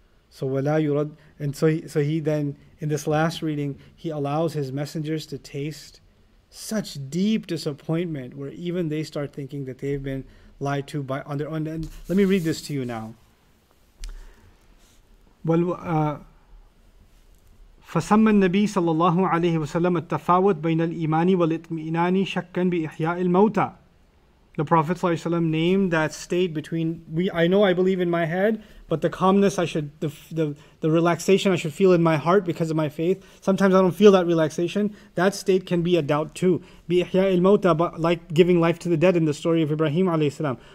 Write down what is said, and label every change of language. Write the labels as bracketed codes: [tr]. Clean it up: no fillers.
[en] So wala yurad, and so he then in this last reading, He allows His messengers to taste such deep disappointment, where even they start thinking that they've been lied to by on their own. And let me read this to you now. [ar] فسمى النبي صلى الله عليه وسلم التفاوت بين الإيمان والإطمئنان شكا بإحياء الموتى. [en] The Prophet [ar] صلى الله عليه وسلم [en] named that state between I know I believe in my head, but the calmness I should, the relaxation I should feel in my heart because of my faith. Sometimes I don't feel that relaxation. That state can be a doubt too. [ar] بإحياء الموتى, [en] but like giving life to the dead in the story of Ibrahim [ar] عليه السلام.